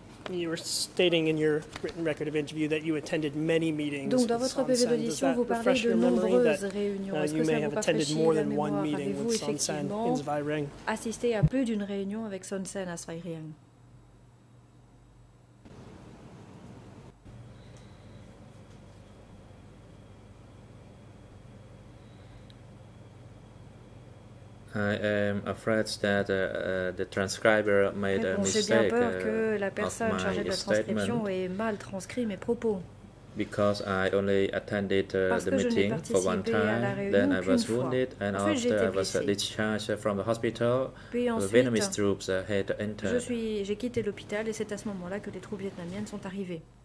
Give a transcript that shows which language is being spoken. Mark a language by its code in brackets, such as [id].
[en] You were stating in your written record of interview that you attended many meetings. [fr] Donc dans votre PV d'audition, vous parlez de nombreuses réunions. Est-ce que ça vous rafraîchit la mémoire? Avez-vous effectivement assisté à plus d'une réunion avec Son Sen à Zweiring? [en] I am afraid that the transcriber made [fr] mais [en] a mistake. [fr] J'ai bien peur que la personne chargée de la transcription ait mal transcrit mes propos. [en] Because I only attended the meeting for one time, then I was wounded, and after I was discharged from the hospital, the Vietnamese troops had entered. [fr] J'ai quitté l'hôpital et c'est à ce moment-là que les troupes vietnamiennes sont arrivées.